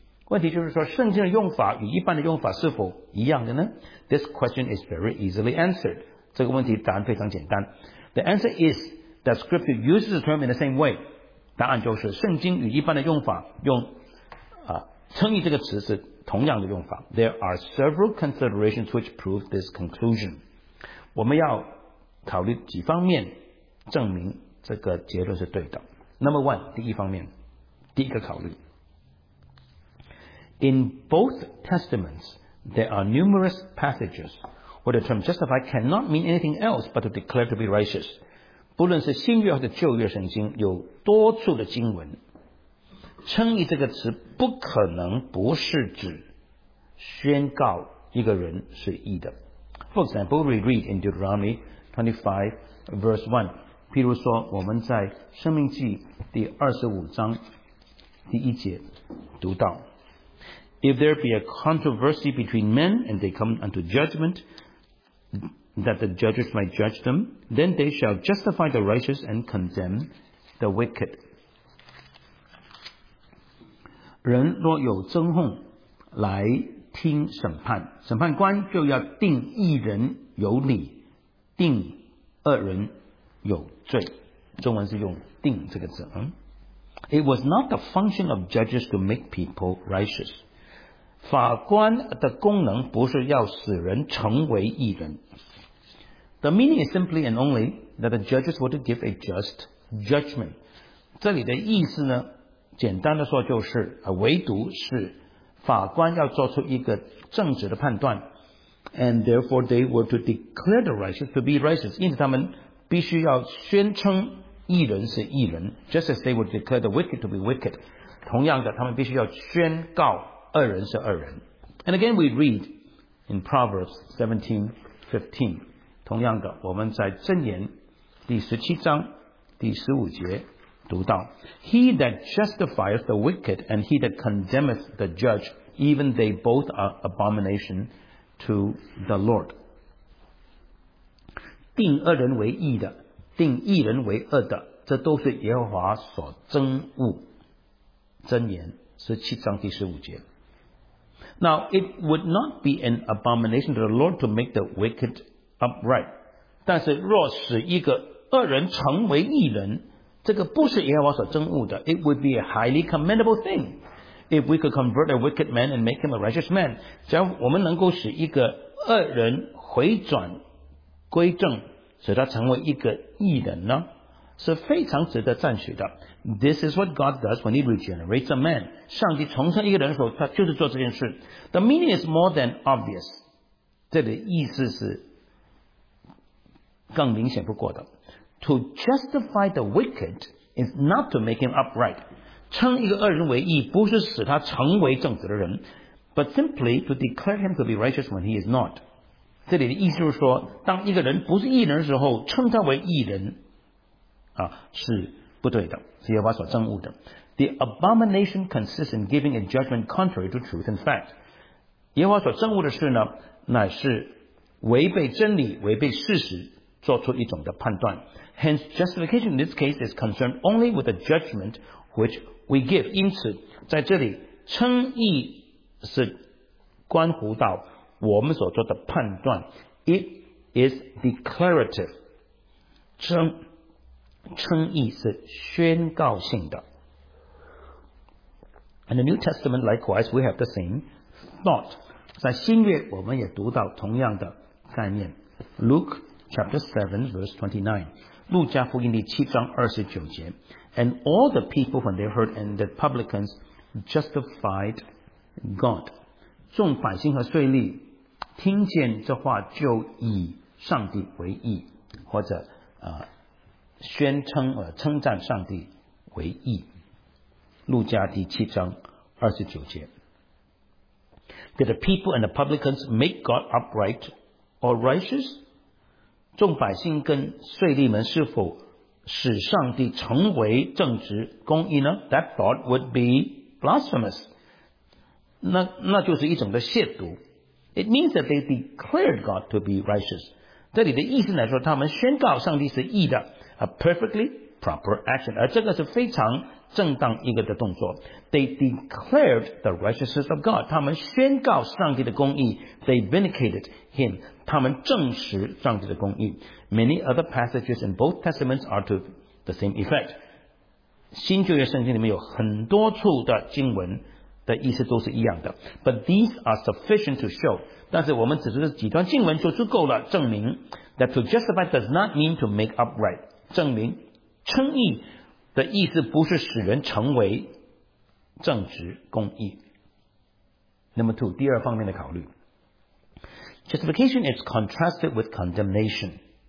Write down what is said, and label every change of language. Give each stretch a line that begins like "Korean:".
Chinese: 问题就是说，圣经的用法与一般的用法是否一样的呢？
English: This question is very easily answered.
Chinese: 这个问题答案非常简单。
English: The answer is that scripture uses the term in the same way.
Chinese: 答案就是圣经与一般的用法用称义这个词是同样的用法。
English: There are several considerations which prove this conclusion.
Chinese: 我们要考虑几方面证明这个结论是对的。
English: Number one,
Chinese: 第一方面，第一个考虑，
English: In both testaments, there are numerous passages where the term justified cannot mean anything else but to declare to be righteous.
Chinese: 不论是新约还是旧约圣经，有多处的经文，称义这个词不可能不是指宣告一个人是义的。
English: For example, we read in Deuteronomy 25, verse 1.
Chinese: 譬如说，我们在生命记第25章第一节读到，
English: If there be a controversy between men and they come unto judgment that the judges might judge them, then they shall justify the righteous and condemn the wicked.
Chinese: 人若有争讼来听审判，审判官就要定义人有理，定恶人有罪。中文是用定这个字。
English: It was not the function of judges to make people righteous.
Chinese: 法官的功能不是要使人成为义人。
English: The meaning is simply and only that the judges were to give a just judgment.
Chinese: 这里的意思呢，简单的说就是，唯独是法官要做出一个正直的判断。
English: And therefore they were to declare the righteous to be righteous.
Chinese: 因此他们必须要宣称义人是义人。
English: Just as they would declare the wicked to be wicked.
Chinese: 同样的，他们必须要宣告恶人是恶人。
English: And again we read in Proverbs 17:15,
Chinese: 同样的，我们在箴言第17章第15节读到，
English: He that justifies the wicked and he that condemneth the judge, even they both are abomination to the Lord.
Chinese: 定恶人为义的，定义人为恶的，这都是耶和华所憎恶。箴言17章第15节。
English: Now, it would not be an abomination to the Lord to make the wicked upright.
Chinese: 但是若使一个恶人成为义人，这个不是耶和华所憎恶的。
English: It would be a highly commendable thing if we could convert a wicked man and make him a righteous man.
Chinese: 只要我们能够使一个恶人回转归正，使他成为一个义人呢，是非常值得赞许的。
English: This is what God does when He regenerates a man.
Chinese: 上帝重生一个人的时候，他就是做这件事。
English: The meaning is more than obvious.
Chinese: 这里意思是更明显不过的。
English: To justify the wicked is not to make him upright.
Chinese: 称一个恶人为义，不是使他成为正直的人，
English: but simply to declare him to be righteous when he is not.
Chinese: 这里的意思就是说，当一个人不是义人的时候，称他为义人啊、是不对的，是耶和华所憎恶的。
English: The abomination consists in giving a judgment contrary to truth and fact.
Chinese: 耶和华所憎恶的事呢，乃是违背真理、违背事实，做出一种的判断。
English: Hence, justification in this case is concerned only with the judgment which we give.
Chinese: 因此，在这里称义是关乎到我们所做的判断。
English: It is declarative.
Chinese: 称义是宣告性的。
English: In the New Testament, likewise, we have the same thought.
Chinese: 在新约我们也读到同样的概念。
English: Luke chapter 7, verse 29.
Chinese: 路加福音第七章二十九节。
English: And all the people, when they heard, and the publicans justified God.
Chinese: 众百姓和税吏听见这话，就以上帝为义，或者宣称称赞上帝为义。路加第七章二十九节。
English: Did the people and the publicans make God upright or righteous?
Chinese: 众百姓跟税吏们是否使上帝成为正直公义呢？
English: That thought would be blasphemous.
Chinese: 那就是一种的亵渎。
English: It means that they declared God to be righteous.
Chinese: 这里的意思来说，他们宣告上帝是义的。
English: A perfectly proper action.
Chinese: 而这个是非常正当一个的动作。
English: They declared the righteousness of God.
Chinese: 他们宣告上帝的公义。
English: They vindicated him.
Chinese: 他们证实上帝的公义。
English: Many other passages in both testaments are to the same effect.
Chinese: 新旧约圣经里面有很多处的经文的意思都是一样的。
English: But these are sufficient to show.
Chinese: 但是我们只是几段经文就足够了，证明
English: that to justify does not mean to make upright.
Chinese: 证明称义的意思不是使人成为正直公义。
English: Number two,
Chinese: 第二方面的考虑。
English: Justification is contrasted with condemnation.